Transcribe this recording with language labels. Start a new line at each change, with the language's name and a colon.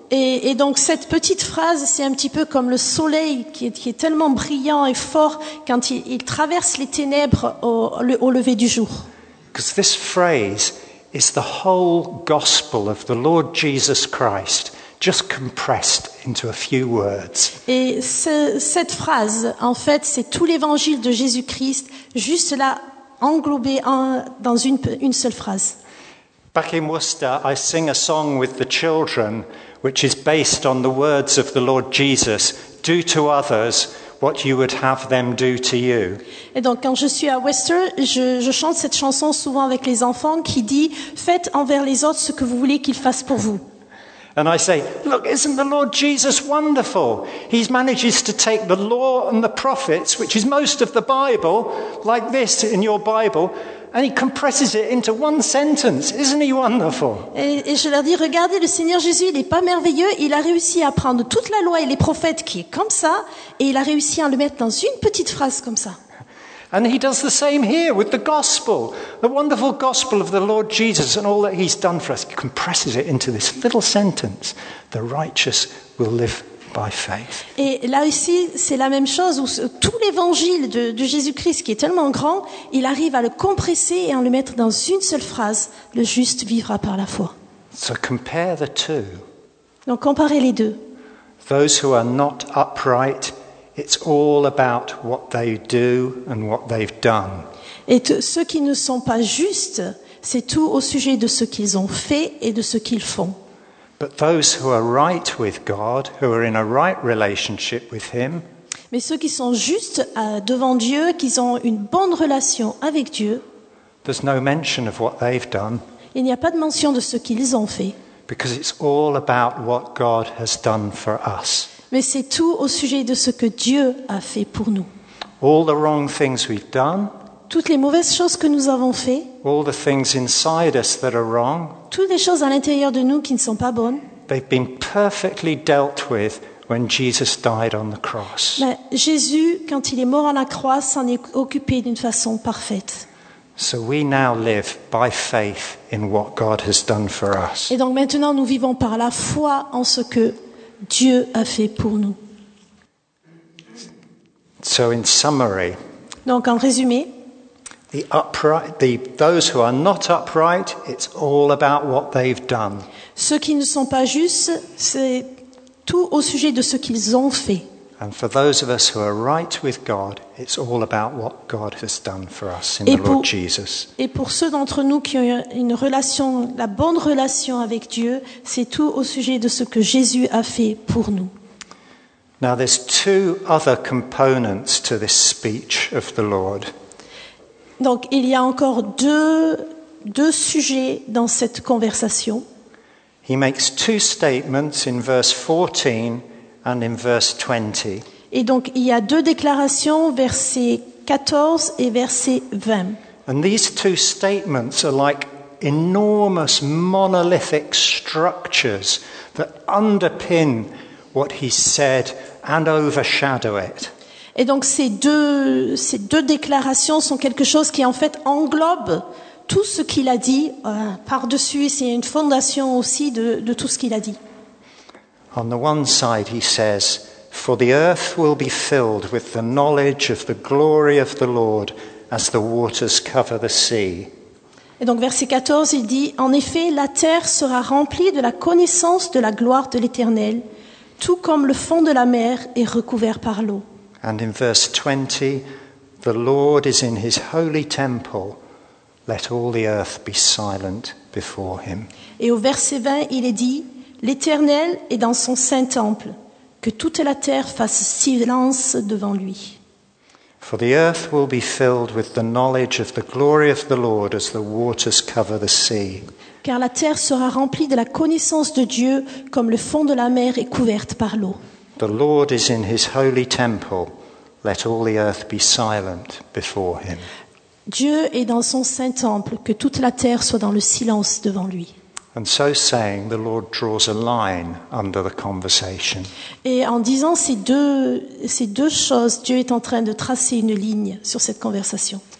French: Et donc cette petite phrase, c'est un petit peu comme le soleil qui est tellement brillant et fort quand il traverse les ténèbres au lever du jour.
English: Because this phrase is the whole gospel of the Lord Jesus Christ, just compressed into a few words.
French: Et cette phrase, en fait, c'est tout l'évangile de Jésus-Christ, juste là, englobé dans une seule phrase.
English: Back in Worcester, I sing a song with the children, which is based on the words of the Lord Jesus, "Do to others what you would have them do to you."
French: Et donc, quand je suis à Worcester, je chante cette chanson souvent avec les enfants qui dit, faites envers les autres ce que vous voulez qu'ils fassent pour vous.
English: And I say, look, isn't the Lord Jesus wonderful? He manages to take the law and the prophets, which is most of the Bible, like this in your Bible, and he compresses it into one sentence. Isn't he wonderful?
French: Et je leur dis, regardez, le Seigneur Jésus, il n'est pas merveilleux. Il a réussi à prendre toute la loi et les prophètes qui est comme ça, et il a réussi à le mettre dans une petite phrase comme ça.
English: And he does the same here with the gospel, the wonderful gospel of the Lord Jesus and all that he's done for us. He compresses it into this little sentence, the righteous will live by faith.
French: Et là aussi, c'est la même chose où tout l'évangile de Jésus-Christ qui est tellement grand, il arrive à le compresser et à le mettre dans une seule phrase, le juste vivra par la foi.
English: So compare the two.
French: Donc comparez les deux.
English: Those who are not upright, it's all about what they do and what they've done.
French: Et ceux qui ne sont pas justes, c'est tout au sujet de ce qu'ils ont fait et de ce qu'ils font.
English: But those who are right with God, who are in a right relationship with Him.
French: Mais ceux qui sont justes devant Dieu, qui ont une bonne relation avec Dieu.
English: There's no mention of what they've done.
French: Il n'y a pas de mention de ce qu'ils ont fait.
English: Because it's all about what God has done for us.
French: Mais c'est tout au sujet de ce que Dieu a fait pour nous.
English: All the wrong things we've done,
French: toutes les mauvaises choses que nous avons faites,
English: all the things inside us that are wrong,
French: toutes les choses à l'intérieur de nous qui ne sont pas bonnes,
English: they've been perfectly dealt with when Jesus died on the cross.
French: Mais Jésus, quand il est mort à la croix, s'en est occupé d'une façon parfaite.
English: So we now live by faith in what God has done for us.
French: Et donc maintenant, nous vivons par la foi en ce que Dieu a fait pour nous.
English: So in summary,
French: donc en résumé,
English: those who are not upright, it's all about what they've done.
French: Ceux qui ne sont pas justes, c'est tout au sujet de ce qu'ils ont fait.
English: And for those of us who are right with God, it's all about what God has done for us in the Lord Jesus.
French: Et pour ceux d'entre nous qui ont une relation, la bonne relation avec Dieu, c'est tout au sujet de ce que Jésus a fait pour nous.
English: Now there's two other components to this speech of the Lord.
French: Donc il y a encore deux deux sujets dans cette conversation.
English: He makes two statements in verse 14 and in verse 20.
French: Et donc il y a deux déclarations, verset 14 et verset 20.
English: And these two statements are like enormous monolithic structures that underpin what he said and overshadow it.
French: Et donc ces deux déclarations sont quelque chose qui en fait englobe tout ce qu'il a dit par-dessus, c'est une fondation aussi de tout ce qu'il a dit.
English: On the one side he says, for the earth will be filled with the knowledge of the glory of the Lord as the waters cover the sea.
French: Et donc verset 14, il dit, en effet, la terre sera remplie de la connaissance de la gloire de l'Éternel, tout comme le fond de la mer est recouvert par l'eau.
English: And in verse 20, the Lord is in his holy temple. Let all the earth be silent before him.
French: Et au verset 20, il est dit, l'Éternel est dans son saint temple. Que toute la terre fasse silence devant lui.
English: For the earth will be filled with the knowledge of the glory of the Lord as the waters cover the sea.
French: Car la terre sera remplie de la connaissance de Dieu comme le fond de la mer est couverte par l'eau.
English: The Lord is in his holy temple. Let all the earth be silent before him.
French: Dieu est dans son saint temple, que toute la terre soit dans le silence devant lui.
English: And so saying, the Lord draws a line under the conversation.
French: Et en disant ces deux choses, Dieu est en train de tracer une ligne sur cette conversation.